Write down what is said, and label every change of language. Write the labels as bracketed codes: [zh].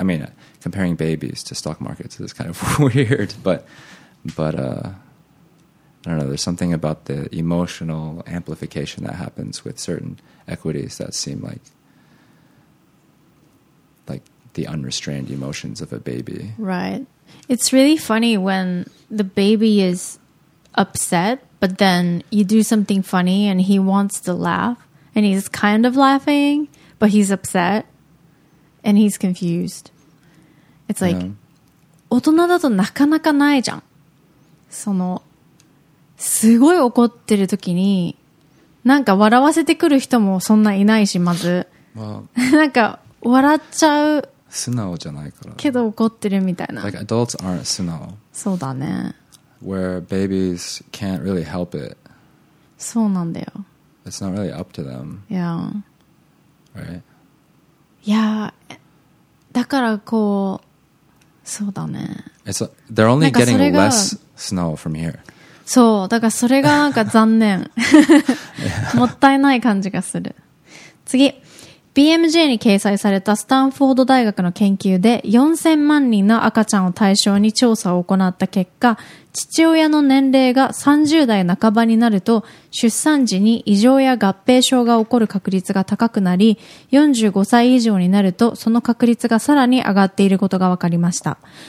[en] I mean, comparing babies to stock markets is kind of weird, but I don't know. There's something about the emotional amplification that happens with certain equities that seem like the unrestrained emotions of a baby. Right. It's really funny when the baby is upset, but then you do something funny and he wants to laugh and he's kind of laughing, but he's upset and he's confused. It's like, yeah. [ja] 大人だとなかなかないじゃん。そのすごい怒ってる時になんか笑わせてくる人もそんないないし、まず、 [en] well, [ja] なんか笑っちゃう、素直じゃないからけど怒ってるみたいな。 [en] Like adults aren't 素直。 [ja] そうだね。 [en] Where babies can't really help it. [ja] そうなんだよ。 [en] It's not really up to them. Yeah. Right. [ja] いやだからこう、そうだね。 [en] It's they're only getting less snow from here. [ja] そう、だからそれがなんか残念。もったいない感じがする。次。 BMJ に掲載されたスタンフォード大学の研究で4000万人の赤ちゃんを対象に調査を行った結果、父親の年齢が30代半ばになると出産時に異常や合併症が起こる確率が高くなり、45歳以上になるとその確率がさらに上がっていることが分かりました。